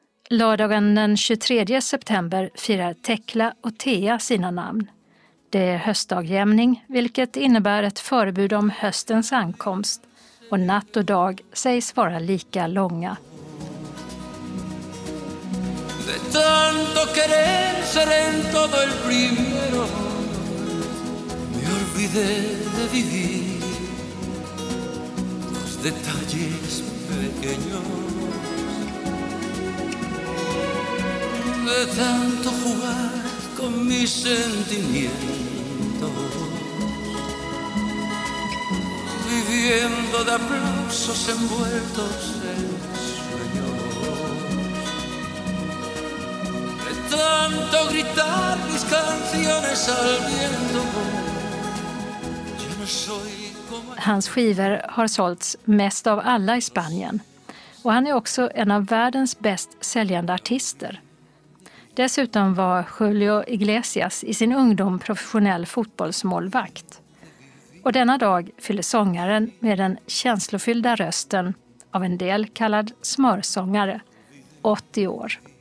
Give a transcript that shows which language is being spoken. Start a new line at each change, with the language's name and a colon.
Swedish: Lördagen den 23 september firar Tekla och Thea sina namn. Det är höstdagjämning vilket innebär ett förbud om höstens ankomst och natt och dag sägs vara lika långa.
Spanish: De tanto querer ser en todo el primero, me olvidé de vivir los detalles pequeños. De tanto jugar con mis sentimientos, muriendo de aplausos envueltos en sueños. De tanto gritar mis canciones al viento. Yo no soy como...
Swedish: Hans skivor har sålts mest av alla i Spanien. Och han är också en av världens bäst säljande artister. Dessutom var Julio Iglesias i sin ungdom professionell fotbollsmålvakt. Och denna dag fyller sångaren med den känslofyllda rösten av en del kallad smörsångare, 80 år.